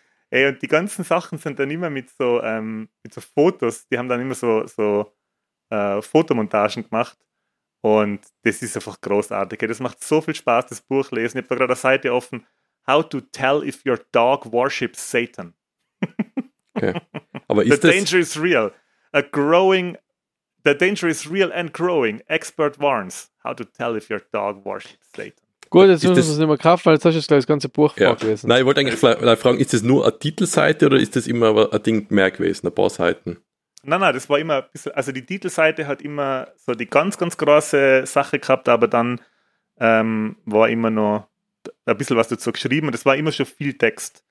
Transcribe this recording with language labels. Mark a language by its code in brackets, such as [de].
[de] Ey, und die ganzen Sachen sind dann immer mit so Fotos. Die haben dann immer so Fotomontagen gemacht. Und das ist einfach großartig. Das macht so viel Spaß, das Buch lesen. Ich habe da gerade eine Seite offen. [en] How to tell if your dog worships Satan. [de] Okay. Aber [en] the danger is real. The danger is real and growing. Expert warns. How to tell if your dog worships Satan. [de] Gut, jetzt müssen wir es nicht mehr kaufen, weil jetzt hast du das ganze Buch vorgelesen. Nein, ich wollte eigentlich fragen, ist das nur eine Titelseite oder ist das immer ein Ding mehr gewesen, ein paar Seiten? Nein, das war immer ein bisschen, also die Titelseite hat immer so die ganz, ganz große Sache gehabt, aber dann war immer noch ein bisschen was dazu geschrieben und es war immer schon viel Text.